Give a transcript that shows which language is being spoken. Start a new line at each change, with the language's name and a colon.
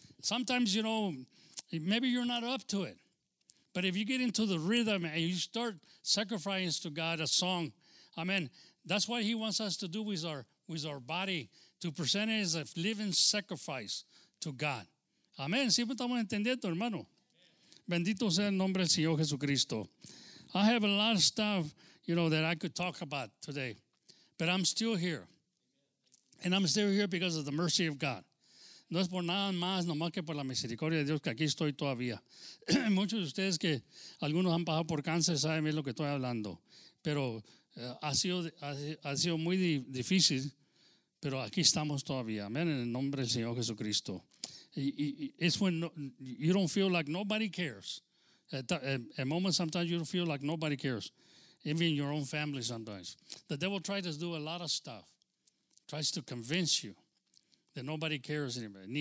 English: Sometimes, you know, maybe you're not up to it, but if you get into the rhythm and you start sacrificing to God a song, amen, that's what He wants us to do with our body, to present it as a living sacrifice to God. Amen.
Spanish: Siempre estamos entendiendo, hermano. Bendito sea el nombre del Señor Jesucristo.
English: I have a lot of stuff, you know, that I could talk about today, but I'm still here. And I'm still here because of the mercy of God.
Spanish: No es por nada más, nomás que por la misericordia de Dios, que aquí estoy todavía. Muchos de ustedes que algunos han pasado por cáncer saben bien lo que estoy hablando. Pero ha sido muy difícil, pero aquí estamos todavía. Amén, en el nombre del Señor Jesucristo.
English: It's when you don't feel like nobody cares. At moments sometimes you don't feel like nobody cares. Even your own family sometimes. The devil tries to do a lot of stuff. Tries to convince you that nobody cares anymore.